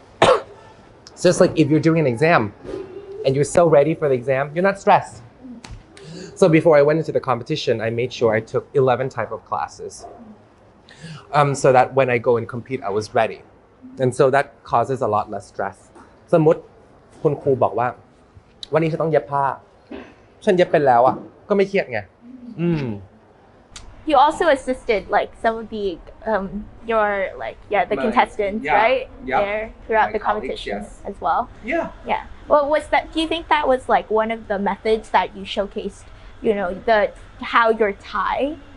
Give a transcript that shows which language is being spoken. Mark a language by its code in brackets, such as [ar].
[en] It's just like if you're doing an exam and you're so ready for the exam, you're not stressed. So before I went into the competition, I made sure I took 11 type of classes, so that when I go and compete, I was ready. And so that causes a lot less stress. [th] สมมติคุณครูบอกว่าวันนี้ฉันต้องเย็บผ้าฉันเย็บเป็นแล้วอ่ะก็ไม่เครียดไง [en] You also assisted like some of the your like yeah the contestants, yeah, right, yeah, there throughout the competition, yes, as well. Yeah. Yeah. Well, was that, do you think that was like one of the methods that you showcased, you know, the how your Thai?